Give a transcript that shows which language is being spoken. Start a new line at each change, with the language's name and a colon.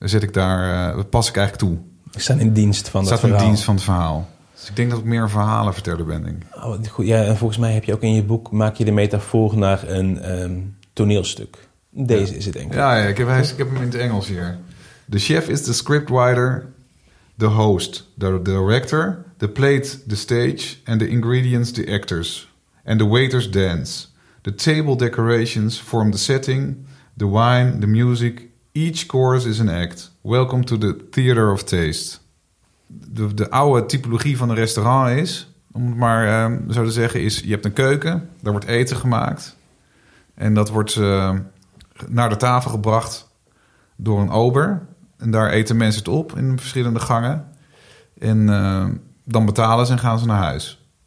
Dutch: Pas ik eigenlijk toe. Ik sta in dienst van het verhaal. Dus ik denk dat ik meer een verhalenverteller ben. En volgens mij heb je ook in je boek, maak je de metafoor naar een toneelstuk. Deze is het, denk ik. Ja, ik heb hem in het Engels hier.
English: The chef is the scriptwriter, the host, the director, the plate, the stage, and the ingredients, the actors. And the waiters dance. The table decorations form the setting, the wine, the music. Each course is an act. Welcome to the theater of taste.
Dutch: De oude typologie van een restaurant is, om het maar zo te zeggen, is je hebt een keuken, daar wordt eten gemaakt. En dat wordt naar de tafel gebracht door een ober. En daar eten mensen het op in verschillende gangen. En dan betalen ze en gaan ze naar huis.